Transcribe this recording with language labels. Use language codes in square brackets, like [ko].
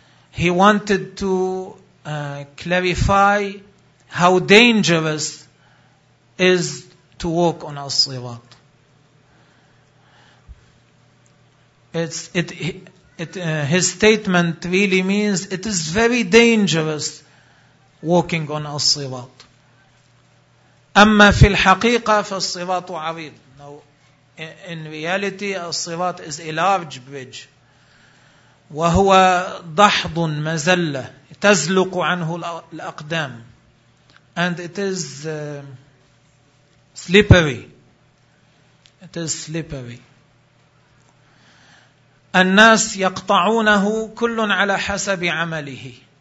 [en] He wanted to clarify how dangerous is to walk on الصراط. His statement really means it is very dangerous walking on الصراط. [ar] أما في الحقيقة فالصراط عريض. [en] Now, in reality, الصراط is a large bridge. [ar] وهو ضحض مزلة تزلق عنه الأقدام. [en] And it is slippery. It is slippery. [ar] الناس يقطعونه كل على حسب عمله.